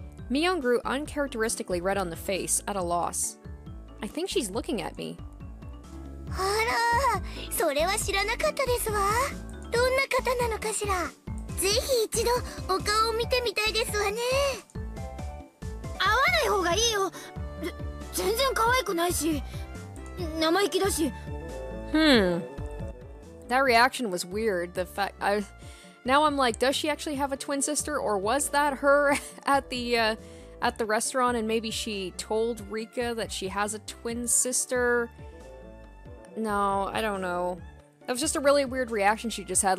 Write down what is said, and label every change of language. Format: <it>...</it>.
<en>Mion grew uncharacteristically red on the face, at a loss. I think she's looking at me.</en> <ja>あら、それは知らなかったですわ。どんな方なのかしら。ぜひ一度お顔を見てみたいですわね。会わない方がいいよ。全然可愛くないし、生意気だし。</ja> <en>That reaction was weird. The fact I now I'm like, does she actually have a twin sister, or was that her at the restaurant, and maybe she told Rika that she has a twin sister? No, I don't know. That was just a really weird reaction she just had.</en>